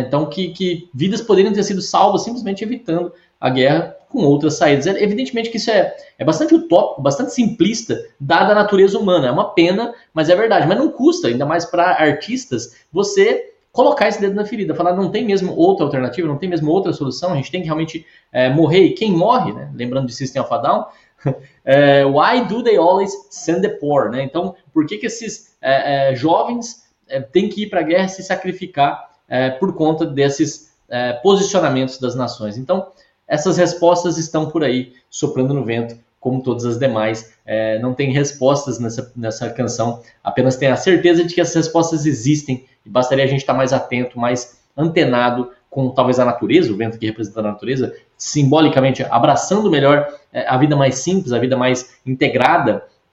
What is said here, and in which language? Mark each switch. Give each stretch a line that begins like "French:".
Portuguese: Então, que vidas poderiam ter sido salvas simplesmente evitando a guerra com outras saídas. Evidentemente que isso é bastante utópico, bastante simplista, dada a natureza humana. É uma pena, mas é verdade. Mas não custa, ainda mais para artistas, você colocar esse dedo na ferida, falar não tem mesmo outra alternativa, não tem mesmo outra solução, a gente tem que realmente morrer. E quem morre, né? Lembrando de
English: System of a Down, why do they always send the poor?
Portuguese: Né? Então, por que esses jovens têm que ir para a guerra e se sacrificar por conta desses posicionamentos das nações? Então, essas respostas estão por aí, soprando no vento, como todas as demais. Não tem respostas nessa canção, apenas tem a certeza de que essas respostas existem, e bastaria a gente estar mais atento, mais antenado com talvez a natureza, o vento que representa a natureza, simbolicamente abraçando melhor a vida mais simples, a vida mais integrada,